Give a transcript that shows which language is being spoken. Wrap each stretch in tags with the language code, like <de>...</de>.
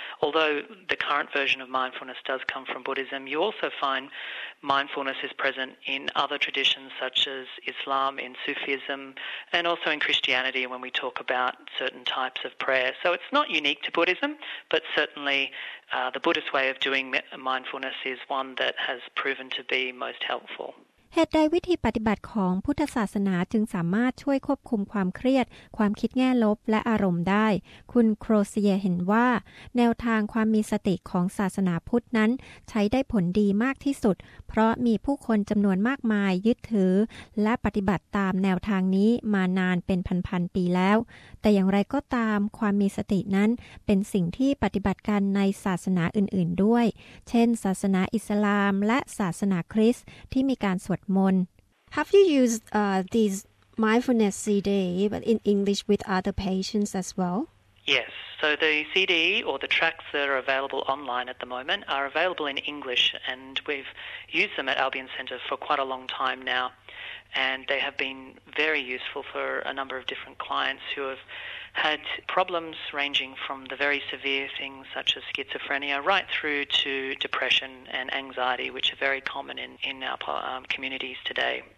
<en>Although the current version of mindfulness does come from Buddhism, you also find mindfulness is present in other traditions such as Islam, in Sufism, and also in Christianity when we talk about certain types of prayer. So it's not unique to Buddhism, but certainly, the Buddhist way of doing mindfulness is one that has proven to be most helpful.</en> <th>เหตุใดวิธีปฏิบัติของพุทธศาสนาจึงสามารถช่วยควบคุมความเครียดความคิดแง่ลบและอารมณ์ได้คุณโครเซียเห็นว่า แนวทางความมีสติของศาสนาพุทธนั้นใช้ได้ผลดีมากที่สุดเพราะมีผู้คนจำนวนมากมายยึดถือและปฏิบัติตามแนวทางนี้มานานเป็นพันๆปีแล้วแต่อย่างไรก็ตามความมีสตินั้นเป็นสิ่งที่ปฏิบัติกันในศาสนาอื่นๆด้วยเช่นศาสนาอิสลามและศาสนาคริสต์ที่มีการสวดมนต์</th> <en>Have you used these mindfulness CD but in English with other patients as well? Yes, so the CD or the tracks that are available online at the moment are available in English and we've used them at Albion Center for quite a long time nowAnd they have been very useful for a number of different clients who have had problems ranging from the very severe things such as schizophrenia right through to depression and anxiety, which are very common in our communities today.</en>